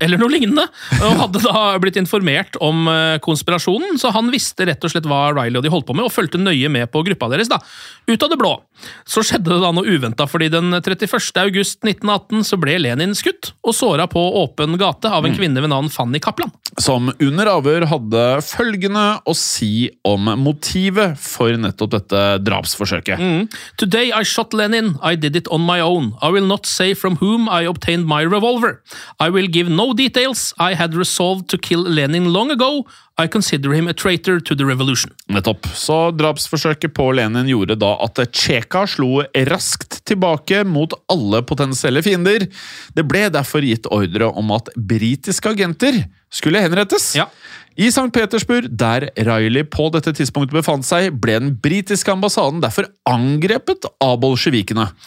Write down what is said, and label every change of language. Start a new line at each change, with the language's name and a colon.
Norwegian: Eller noe lignende. Og hadde da blitt informert om konspirasjonen, så han visste rett og slett hva Reilly og de holdt på med, og følte nøye med på gruppa deres da. Ut av det blå. Så skjedde det da noe uventet, fordi den 31. august 1918 så ble Lenin skutt, og såret på åpen gate av en kvinne ved navn Fanny Kaplan. Som under avhør hadde følgende å si om motivet for nettopp dette drapsforsøket. Mm.
English: Today I shot Lenin, I did it on my own. I will not say from whom I obtained my revolver. I will give no details. I had resolved to kill Lenin long ago. I consider him a traitor to the revolution.
Norwegian: Nettopp. Så drapsforsøket på Lenin gjorde da at Cheka slo raskt tilbake mot alle potensielle fiender. Det ble derfor gitt ordre om at britiske agenter skulle henrettes. Ja. I St. Petersburg, der Reilly på dette tidspunktet befant seg, ble den britiske ambassaden derfor angrepet av bolsjevikene.